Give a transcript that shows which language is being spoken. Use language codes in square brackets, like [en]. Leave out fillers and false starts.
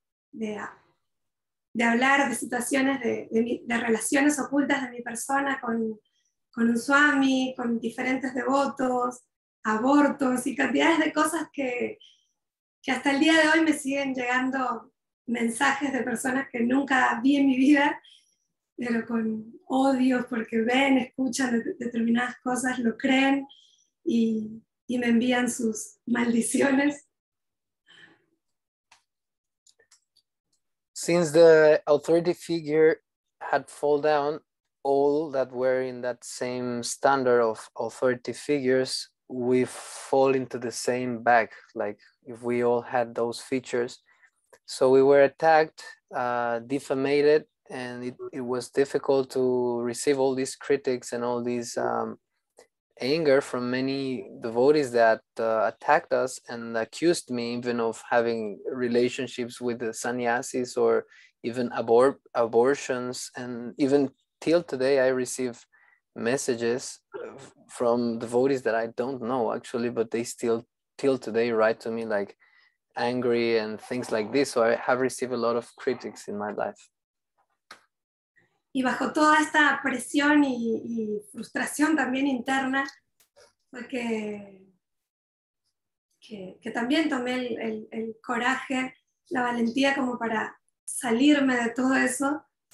[es] De hablar de situaciones, de relaciones ocultas de mi persona con un swami, con diferentes devotos, abortos y cantidades de cosas que hasta el día de hoy me siguen llegando mensajes de personas que nunca vi en mi vida, pero con odios porque ven, escuchan determinadas cosas, lo creen y me envían sus maldiciones. [en] Since the authority figure had fall down, all that were in that same standard of authority figures, we fall into the same bag, like if we all had those features. So we were attacked, defamated, and it was difficult to receive all these critics and all these anger from many devotees that attacked us and accused me even of having relationships with the sannyasis or even abortions. And even till today, I receive messages from devotees that I don't know actually, but they still till today write to me like angry and things like this. So I have received a lot of critics in my life. [es] Y bajo toda esta presión y frustración también interna, fue que también tomé el coraje, la valentía como para salirme de todo eso.